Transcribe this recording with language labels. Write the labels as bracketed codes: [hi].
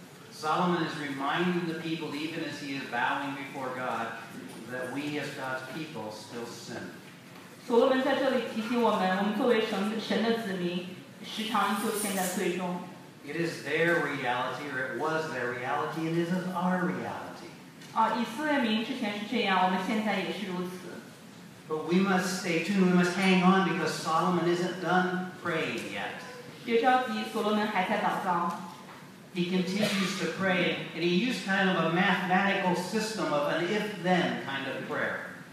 [en] Solomon is reminding the people, even as he is bowing before God, that we as God's people still sin. [zh] 所罗门在这里提醒我们，我们作为神的子民，时常就陷在罪中。 [en] It is their reality, or it was their reality, and it is our reality. [zh] 以色列民之前是这样，我们现在也是如此。 [en] But we must stay tuned, we must hang on, because Solomon isn't done praying yet. [zh] 别着急，所罗门还在祷告。 [en] He continues to pray, and he used kind of a mathematical system of an if-then kind of prayer.